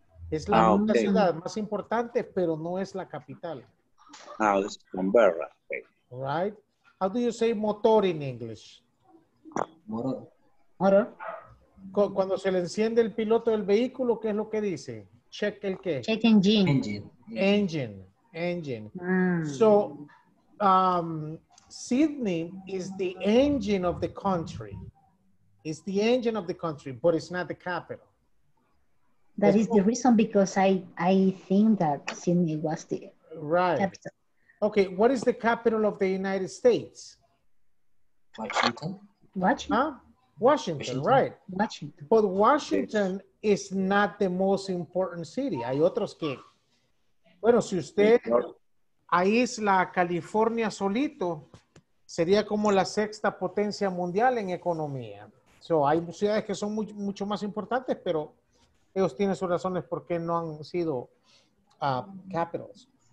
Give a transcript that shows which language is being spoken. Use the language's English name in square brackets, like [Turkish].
[Spanish] Es la ciudad más importante, pero no es la capital. Ah, es Canberra. [English] Right? How do you say motor in English? Motor. Motor. [Spanish] Cuando se le enciende el piloto del vehículo, ¿qué es lo que dice? Check el qué. [English] Check engine. Engine. Mm. So, Sydney is the engine of the country. It's the engine of the country, but it's not the capital. That is the reason because I think that Sydney was the right capital. Okay, what is the capital of the United States? Washington. Washington. But Washington is not the most important city. [Spanish] Hay otros que. Bueno, si usted aísla a California solito, sería como la sexta potencia mundial en economía. So, hay ciudades que son mucho más importantes, pero ellos tienen sus razones por qué no han sido capitals.